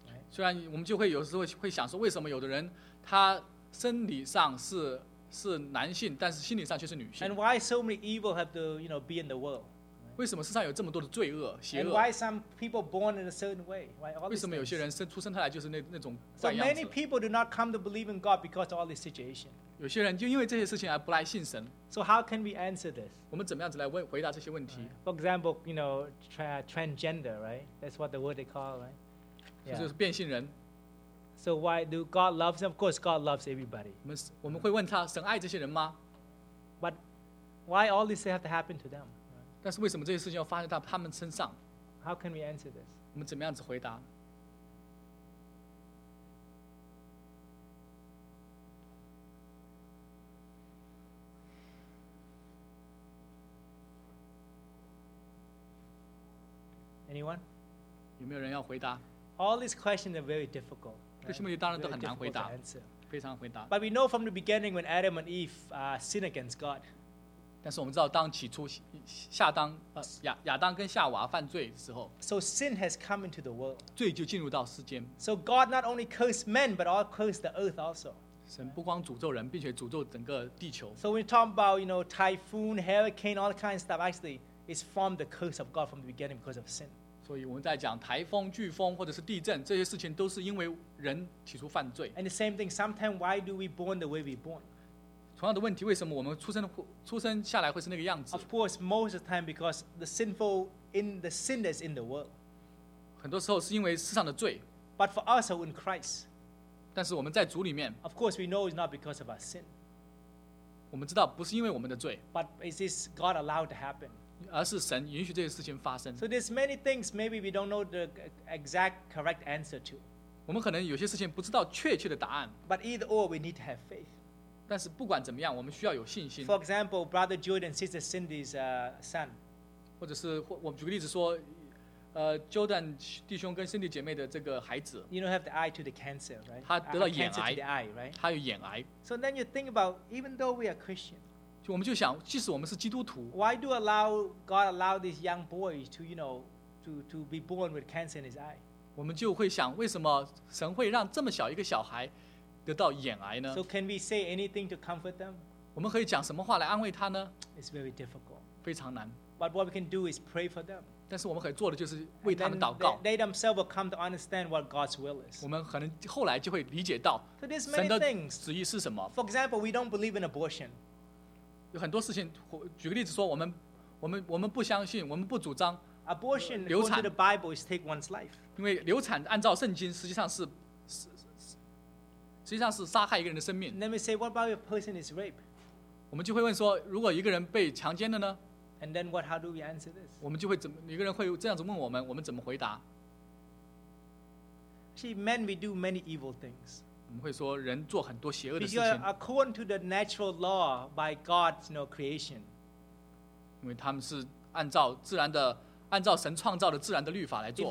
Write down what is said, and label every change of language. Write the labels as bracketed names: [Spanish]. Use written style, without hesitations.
[Chinese] 虽然我们就会有时候会想说，为什么有的人他生理上是男性，但是心理上却是女性。 [English] And why so many evil have to, you know, be in the world? [Chinese] 为什么世上有这么多的罪恶、邪恶 [English] ？And why some people born in a certain way? Right? [Chinese] 为什么有些人出生下来就是那种怪样 [English] 子 ？So many people do not come to believe in God because of all this situation. [Chinese] 有些人就因为这些事情而不来信神。 [English] So how can we answer this? [Chinese] 我们怎么样子来回答这些问题 [English] ？For example, you know, transgender, right? That's what the word they call, right? [Chinese] 就是变性人。 [English] So why do God love them? Of course, God loves everybody. [Chinese] 我们会问他，神爱这些人吗 [English] ？But why all this have to happen to them? [Chinese] 但是为什么这些事情要发生到他们身上 [English] ？How can we answer this? [Chinese] 我们怎么样子回答？ [English] Anyone? [Chinese] 有没有人要回答 [English] ？All these questions are very difficult. [Chinese] 这些问题当然都很难回答。 [English] Answer. [Chinese] 非常回答。 [English] But we know from the beginning when Adam and Eve sinned against God. [Chinese] 但是我们知道，当起初夏当亚当跟夏娃犯罪的时候 [English] ，So sin has come into the world. [Chinese] 罪就进入到世间。 [English] So God not only cursed men, but all cursed the earth also. [Chinese] 神不光诅咒人，并且诅咒整个地球。 [English] So when you talk about, you know, typhoon, hurricane, all that kind of stuff, actually, it's from the curse of God from the beginning because of sin. [Chinese] 所以我们在讲台风、飓风或者是地震这些事情，都是因为人起初犯罪。 [English] And the same thing, sometimes why do we born the way we born? [Chinese] 同样的问题，为什么我们出生下来会是那个样子 [English] ？Of course, most of the time because the sinful in the sin that's in the world. [Chinese] 很多时候是因为世上的罪。 [English] But for us who in Christ. [Chinese] 但是我们在主里面。 [English] Of course, we know it's not because of our sin. [Chinese] 我们知道不是因为我们的罪。 [English] But is this God allowed to happen? [Chinese] 而是神允许这些事情发生。 [English] So there's many things maybe we don't know the exact correct answer to. [Chinese] 我们可能有些事情不知道确切的答案。 [English] But either or, we need to have faith. [Chinese] 但是不管怎么样，我们需要有信心。 [English] For example, Brother Jude and Sister Cindy's son. [Chinese] 或者是我举个例子说，Jordan 弟兄跟 Cindy 姐妹的这个孩子。 [English] You don't have the eye to the cancer, right? [Chinese] 他得了眼癌。 [English] Cancer to the eye, right? [Chinese] 他有眼癌。 [English] So then you think about, even though we are Christian, [Chinese] 就我们就想，即使我们是基督徒 [English] ，Why do allow God allow this young boy to, you know, to be born with cancer in his eye? [Chinese] 我们就会想，为什么神会让这么小一个小孩？得到眼癌呢 [English] ？So can we say anything to comfort them? [Chinese] 我们可以讲什么话来安慰他呢 [English] ？It's very difficult. [Chinese] 非常难。 [English] But what we can do is pray for them. [Chinese] 但是我们可以做的就是为他们祷告。 [English] They themselves will come to understand what God's will is. [Chinese] 我们可能后来就会理解到神的旨意是什么。 [English] For example, we don't believe in abortion. [Chinese] 有很多事情，举个例子说，我们不相信，我们不主张 [English] abortion. [Chinese] 流产 [English] according to the Bible is take one's life. [Chinese] 因为流产按照圣经实际上是。实际上是杀害一个人的生命。 [English] Let me say, what about if a person is raped? [Chinese] 我们就会问说，如果一个人被强奸了呢 [English] ？And then what? How do we answer this? [Chinese] 我们就会怎么？一个人会这样子问我们，我们怎么回答 [English] ？See, men, we do many evil things. [Chinese] 我们会说，人做很多邪恶的事情。 [English] Because according to the natural law by God's, you know, creation. [Chinese] 因为他们是按照自然的，按照神创造的自然的律法来做。